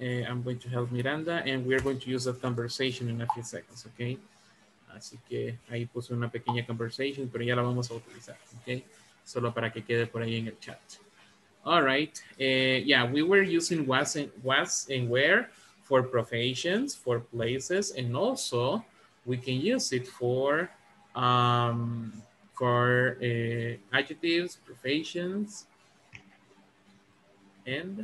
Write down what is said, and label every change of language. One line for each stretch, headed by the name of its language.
English: I'm going to help Miranda, and we're going to use that conversation in a few seconds, okay?
Spanish: Así que ahí puse una pequeña conversation, pero ya la vamos a utilizar, okay? Solo para que quede por ahí en el chat.
English: All right. Yeah, we were using was and where for professions, for places, and also we can use it for adjectives, professions, and